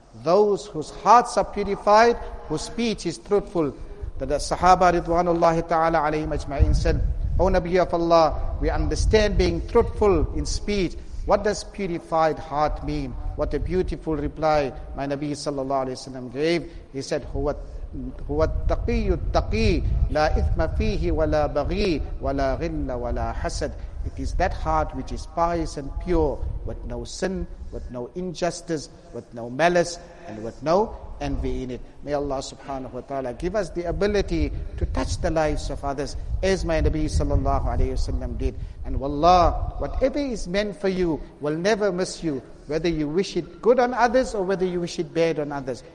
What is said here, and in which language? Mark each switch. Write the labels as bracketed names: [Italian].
[English] Those whose hearts are purified, whose speech is truthful. The Sahaba Ridwanullahi ta'ala alayhim ajma'in said, "O Nabi of Allah, we understand being truthful in speech. What does purified heart mean?" What a beautiful reply my Nabi sallallahu alayhi wa sallam gave. He said, [Arabic] "Huwa هو التقي التقي لا إثم فيه ولا بغي ولا غل ولا حسد. [English] It is that heart which is pious and pure, with no sin, with no injustice, with no malice, and with no envy in it. May Allah subhanahu wa ta'ala give us the ability to touch the lives of others, as my Nabi sallallahu alayhi wa sallam did. And wallah, whatever is meant for you will never miss you, whether you wish it good on others or whether you wish it bad on others.